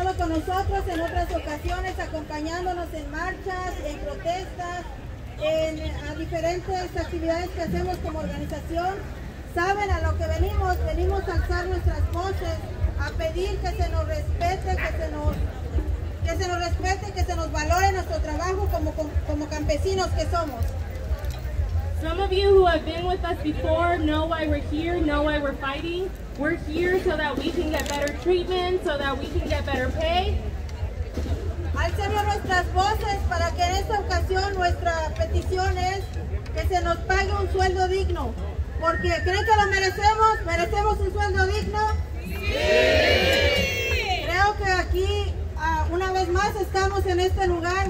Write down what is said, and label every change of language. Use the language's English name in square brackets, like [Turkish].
[Spanish] Nosotros en otras ocasiones acompañándonos en marchas, en protestas, a diferentes actividades que hacemos como organización, saben a lo que venimos a alzar nuestras voces, a pedir que se nos respete, que se nos valore nuestro trabajo como campesinos que somos. [English] Some of you who have been with us before know why we're here, know why we're fighting. We're here so that we can get better treatment, so that we can get better pay. [Spanish] Alcemos nuestras voces para que en esta ocasión nuestra petición es que se nos pague un sueldo digno. Porque creo que lo merecemos, ¿merecemos un sueldo digno? ¡Sí! Creo que aquí, una vez más, estamos en este lugar.